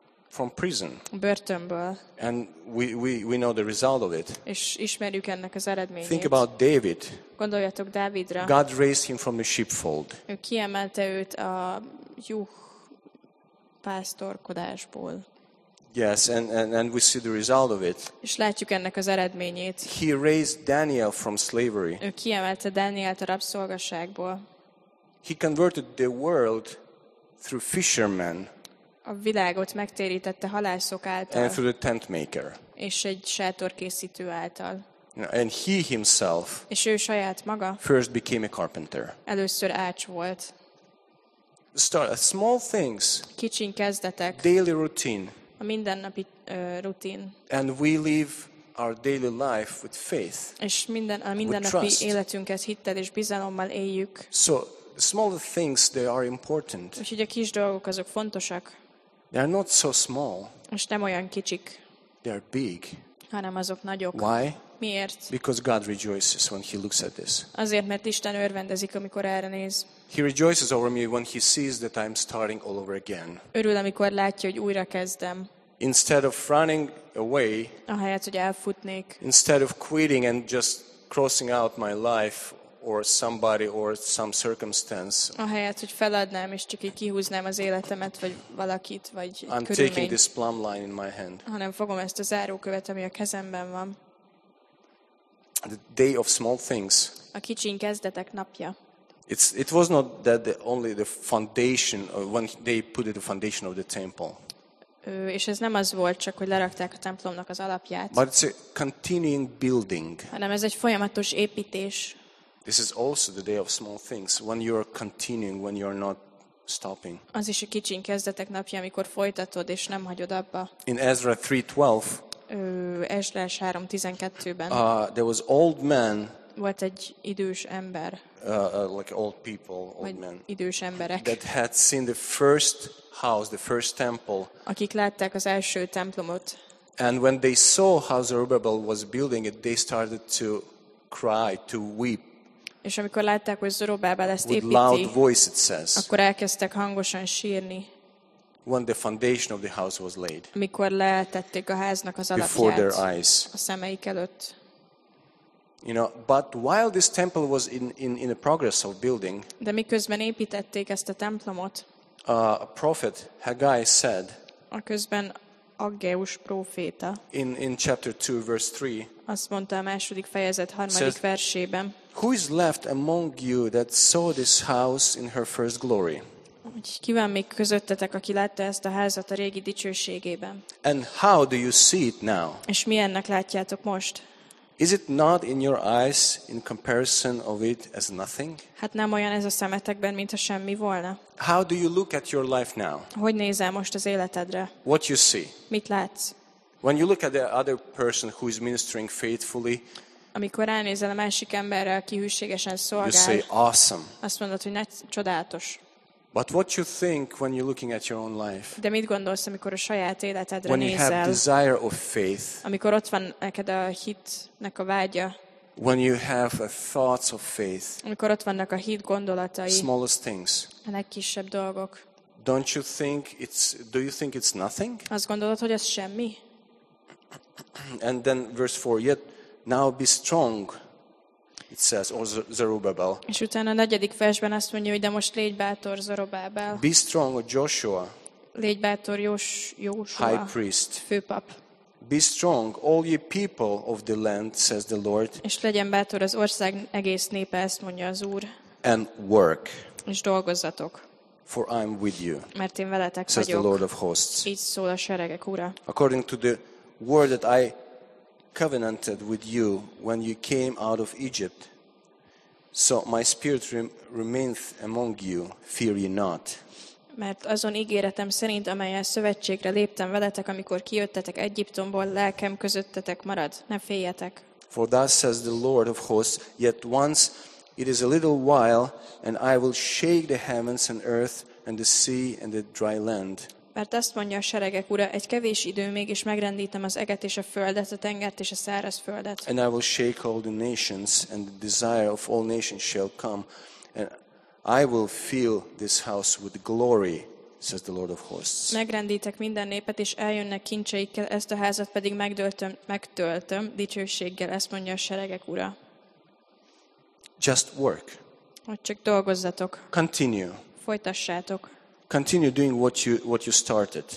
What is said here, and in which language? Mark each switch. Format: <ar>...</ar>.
<en>from prison.</en> <hu>Börtönből.</hu> <en>And we know the result of it.</en> <hu>És ismerjük ennek az eredményét.</hu> <en>Think about David.</en> <hu>Gondoljatok Dávidra.</hu> <en>God raised him from the sheepfold.</en> <hu>Ő kiemelte őt a juh pásztorkodásból.</hu> <en>Yes, and we see the result of it.</en> <hu>És látjuk ennek az eredményét.</hu> <en>He raised Daniel from slavery.</en> <hu>Ő kiemelte Dánielt a rabszolgaságból.</hu> <en>He converted the world through fishermen.</en> <hu>A világot megtérítette halászok által.</hu> <en>And through the tent maker.</en> <hu>És egy sátorkészítő által.</hu> <en>And he himself.</en> <hu>És ő saját maga.</hu> <en>First became a carpenter.</en> <hu>Először ács volt.</hu> <en>Start small things.</en> <hu>Kicsin kezdetek.</hu> <en>Daily routine.</en> <hu>A mindennapi rutin.</hu> <en>And we live our daily life with faith.</en> <hu>És mindennapi életünket hittel és bizalommal éljük.</hu> <en>So small things, they are important.</en> <hu>És ugye a kis dolgok azok fontosak.</hu> <en>They are not so small.</en> <hu>És nem olyan kicsik.</hu> <en>They are big.</en> <hu>Hanem azok nagyok.</hu> <en>Why?</en> <hu>Miért?</hu> <en>Because God rejoices when he looks at this.</en> <hu>Azért, mert Isten örvendezik, amikor erre néz.</hu> <en>He rejoices over me when he sees that I'm starting all over again.</en> <hu>Örül, amikor látja, hogy újra kezdem.</hu> <en>Instead of running away,</en> <hu>ahelyett, hogy elfutnék.</hu> <en>Instead of quitting and just crossing out my life or somebody or some circumstance.</en> <hu>Ahelyett, hogy feladnám és csak így kihúznám az életemet vagy valakit vagy körülményt.</hu> <en>I'm taking this plumb line in my hand.</en> <hu>Hanem fogom ezt a zárókövet, ami a kezemben van.</hu> <en>The day of small things.</en> <hu>A kicsin kezdetek napja.</hu> <en>It was not that only the foundation when they put the foundation of the temple.</en> <hu>És ez nem az volt, csak hogy lerakták a templomnak az alapját.</hu> <en>But it's a continuing building.</en> <hu>Hanem ez egy folyamatos építés.</hu> <en>This is also the day of small things when you are continuing, when you are not stopping.</en> <hu>Az is a kicsin kezdetek napja, amikor folytatod és nem hagyod abba.</hu> <en>In Ezra 3:12.</en> <hu>Ezrás 3:12-ben.</hu> <en>There was old man.</en> <hu>Volt egy idős ember.</hu> <en>Like old people, old men.</en> <hu>Idős emberek.</hu> <en>That had seen the first house, the first temple.</en> <hu>Akik látták az első templomot.</hu> <en>And when they saw how Zerubbabel was building it, they started to cry, to weep.</en> <hu>És amikor látták, hogy Zerubbabel ezt építi.</hu> <en>With loud voice, it says.</en> <hu>Akkor elkezdtek hangosan sírni.</hu> <en>When the foundation of the house was laid.</en> <hu>Mikor letették a háznak az alapját.</hu> <en>Before their eyes.</en> <hu>A szemeik előtt.</hu> <en>You know, but while this temple was in the progress of building.</en> <hu>De miközben építették ezt a templomot.</hu> <en>A prophet Haggai said.</en> <hu>A közben Aggeus próféta.</hu> <en>In chapter 2 verse 3.</en> <hu>Azt mondta a második fejezet harmadik versében.</hu> <en>Who is left among you that saw this house in her first glory?</en> <hu>Ki van még közöttetek, aki látta ezt a házat a régi dicsőségében?</hu> <en>And how do you see it now?</en> <hu>És milyennek látjátok most?</hu> <en>Is it not in your eyes in comparison of it as nothing?</en> <hu>Hát nem olyan ez a szemetekben, mint a semmi volna.</hu> <en>How do you look at your life now?</en> <hu>Hogy nézel most az életedre?</hu> <en>What you see?</en> <hu>Mit látsz?</hu> <en>When you look at the other person who is ministering faithfully,</en> <hu>amikor ránézel a másik emberre, aki hűségesen szolgál,</hu> <en>you say awesome.</en> <hu>Azt mondod, hogy nagy, csodálatos.</hu> <en>But what you think when you're looking at your own life?</en> <hu>De mit gondolsz, amikor a saját életedre</hu> <en>when</en> <hu>nézel?</hu> <en>When you have desire of faith.</en> <hu>Amikor ott van neked a hitnek a vágya.</hu> <en>When you have a thoughts of faith.</en> <hu>Amikor ott vannak a hit gondolatai.</hu> <en>Smallest things.</en> <hu>A legkisebb dolgok.</hu> <en>Don't you think do you think it's nothing?</en> <hu>Azt gondolod, hogy ez semmi?</hu> <en>And then verse 4, yet now be strong. It says, or Zerubbabel.</en> <hu>És utána a negyedik versben azt mondja, hogy de most légy bátor, Zerubbabel.</hu> <en>Be strong, Joshua.</en> <hu>Légy bátor, Joshua.</hu> <en>High priest.</en> <hu>Főpap.</hu> <en>Be strong, all ye people of the land, says the Lord.</en> <hu>És legyen bátor az ország egész népe, ezt mondja az Úr.</hu> <en>And work.</en> <hu>És dolgozzatok.</hu> <en>For I'm with you.</en> <hu>Mert én veletek vagyok.</hu> <en>Says the Lord of hosts.</en> <hu>Így szól a seregek ura.</hu> <en>According to the word that I covenanted with you when you came out of Egypt, so my spirit remaineth among you, fear ye not.</en> <hu>Mert azon ígéretem szerint, amelyel szövetségre léptem veletek, amikor kijöttetek Egyiptomból, lelkem közöttetek marad, ne féljetek.</hu> <en>For thus says the Lord of hosts, yet once it is a little while, and I will shake the heavens and earth and the sea and the dry land.</en> <hu>Mert azt mondja a seregek ura, egy kevés idő még, és megrendítem az eget és a földet, a tengert és a száraz földet.</hu> <en>And I will shake all the nations, and the desire of all nations shall come, and I will fill this house with glory, says the Lord of hosts.</en> <hu>Megrendítek minden népet, és eljönnek kincseikkel, ezt a házat pedig megtöltöm dicsőséggel, ezt mondja a seregek ura.</hu> <en>Just work.</en> <hu>Hogy csak dolgozzatok.</hu> <en>Continue.</en> <hu>Folytassátok.</hu> <en>Continue doing what you started.</en>